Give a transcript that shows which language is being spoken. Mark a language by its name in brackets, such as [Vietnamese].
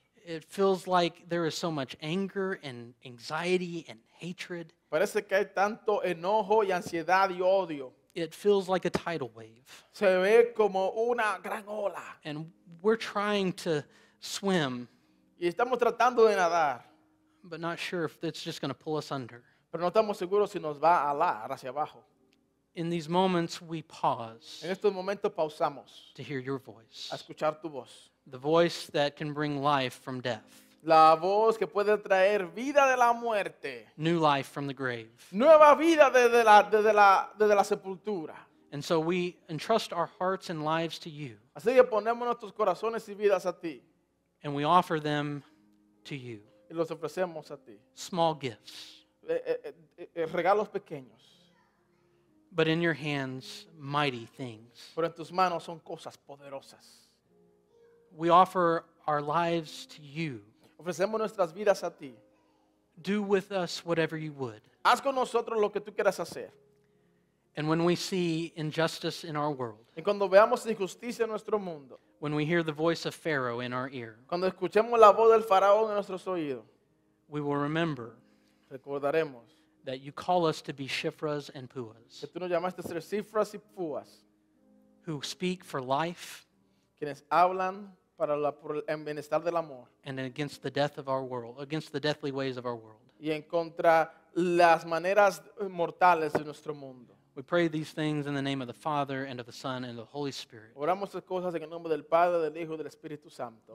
[English] It feels like there is so much anger and anxiety and hatred. [Spanish] Parece que hay tanto enojo y ansiedad y odio. [English] It feels like a tidal wave. [Spanish] Se ve como una gran ola. [English] And we're trying to swim. [Spanish] Y estamos tratando de nadar. [English] But not sure if it's just going to pull us under. [Spanish] Pero no estamos seguros si nos va a alar hacia abajo. [English] In these moments we pause. [Spanish] En estos momentos pausamos. [English] To hear your voice. [Spanish] A escuchar tu voz. [English] The voice that can bring life from death. [Spanish] La voz que puede traer vida de la muerte. [English] New life from the grave. [Spanish] Nueva vida desde la sepultura. [English] And so we entrust our hearts and lives to you. [Spanish] Así que ponemos nuestros corazones y vidas a ti. [English] And we offer them to you. [Spanish] Y los ofrecemos a ti. [English] Small gifts. [Spanish] Regalos pequeños. [English] But in your hands, mighty things. [Spanish] Pero en tus manos son cosas poderosas. [English] We offer our lives to you. [Spanish] Ofrecemos nuestras vidas a ti. [English] Do with us whatever you would. [Spanish] Haz con nosotros lo que tú quieras hacer. [English] And when we see injustice in our world. [Spanish] Y cuando veamos injusticia en nuestro mundo. [English] When we hear the voice of Pharaoh in our ear. [Spanish] Cuando escuchemos la voz del faraón en nuestros oídos. [English] We will remember. [Spanish] Recordaremos. [English] that you call us to be Shifras and Puas. [Spanish] Que tú nos llamaste a ser Shifras y Puas. [English] Who speak for life. [Spanish] Quienes hablan para la, por el bienestar del amor. [English] And against the death of our world, against the deathly ways of our world. [Spanish] Y en contra las maneras mortales de nuestro mundo. [English] We pray these things in the name of the Father and of the Son and of the Holy Spirit. [Spanish] Oramos estas cosas en el nombre del Padre, del Hijo y del Espíritu Santo.